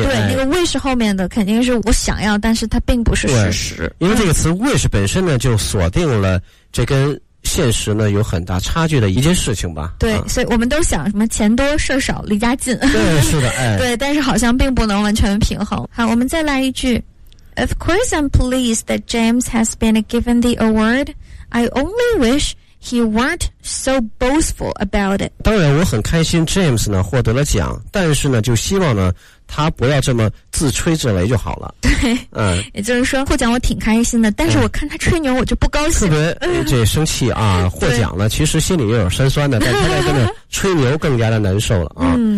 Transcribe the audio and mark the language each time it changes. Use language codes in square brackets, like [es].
[zh] 对，那个 wish 后面的肯定是我想要，但是它并不是事实。因为这个词 wish 本身呢就锁定了这跟现实呢有很大差距的一件事情吧。对，所以我们都想什么钱多事少离家近。对，是的，对，但是好像并不能完全平衡。好，我们再来一句。 [en] Of course I'm pleased that James has been given the award. I only wish he weren't so boastful about it. [zh] 当然我很开心 James 呢获得了奖，但是呢就希望呢他不要这么自吹自擂就好了。对，也就是说获奖我挺开心的，但是我看他吹牛我就不高兴，特别这生气啊。获奖了其实心里也有酸酸的，但他在跟着吹牛更加的难受了啊。